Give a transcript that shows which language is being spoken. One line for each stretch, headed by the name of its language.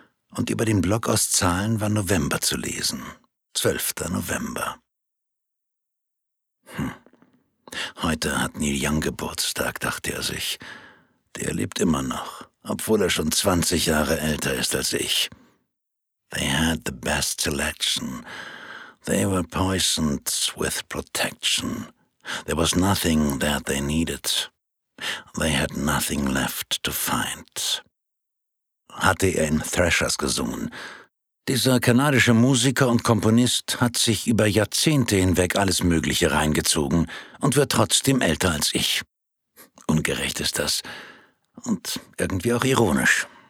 German: Und über den Block aus Zahlen war November zu lesen. 12. November. Heute hat Neil Young Geburtstag, dachte er sich. Der lebt immer noch, obwohl er schon 20 Jahre älter ist als ich.
English: They had the best selection. They were poisoned with protection. There was nothing that they needed. They had nothing left to find.
German: Hatte er in Threshers gesungen. Dieser kanadische Musiker und Komponist hat sich über Jahrzehnte hinweg alles Mögliche reingezogen und wird trotzdem älter als ich. Ungerecht ist das. Und irgendwie auch ironisch.